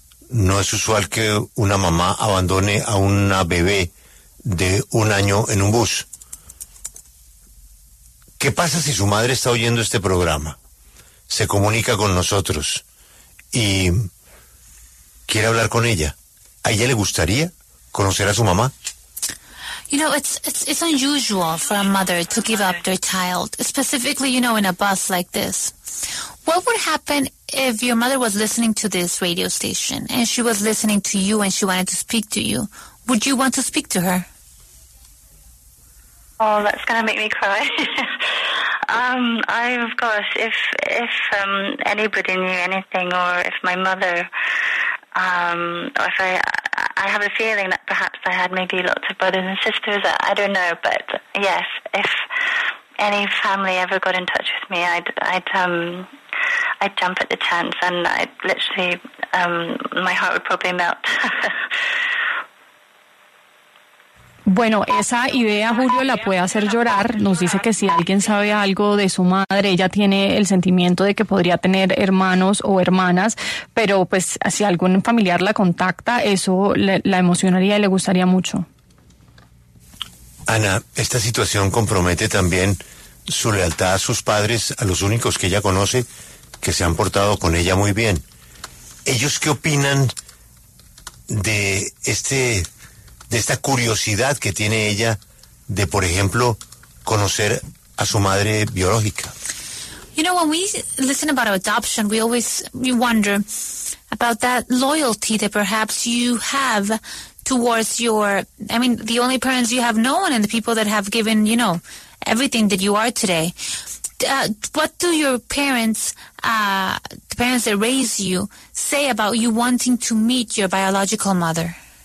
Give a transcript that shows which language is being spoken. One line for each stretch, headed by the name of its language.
Spanish: No es usual que una mamá abandone a una bebé de un año en un bus. ¿Qué pasa si su madre está oyendo este programa? Se comunica con nosotros y quiere hablar con ella. ¿A ella le gustaría conocer a su mamá?
English: You know, it's unusual for a mother to give up their child, specifically, you know, in a bus like this. What would happen if your mother was listening to this radio station and she was listening to you and she wanted to speak to you? Would you want to speak to her? Oh, that's going to make me cry. of course, if anybody knew anything, or if my mother, or if I have a feeling that perhaps I had maybe lots of brothers and sisters, I don't know, but yes, if any family ever got in touch with me, I'd jump at the chance, and I'd literally, my heart would probably melt.
Spanish: Bueno, esa idea, Julio, la puede hacer llorar. Nos dice que si alguien sabe algo de su madre, ella tiene el sentimiento de que podría tener hermanos o hermanas, pero pues si algún familiar la contacta, eso la emocionaría y le gustaría mucho. Ana, esta situación compromete también su lealtad a sus padres, a los únicos que ella conoce, que se han portado con ella muy bien. ¿Ellos qué opinan de esta curiosidad que tiene ella de, por ejemplo, conocer a su madre biológica?
English: You know, when we listen about adoption, we always wonder about that loyalty that perhaps you have towards your, I mean, the only parents you have known and the people that have given, you know, everything that you are today. What do your parents, the parents that raised you, say about you wanting to meet your biological mother?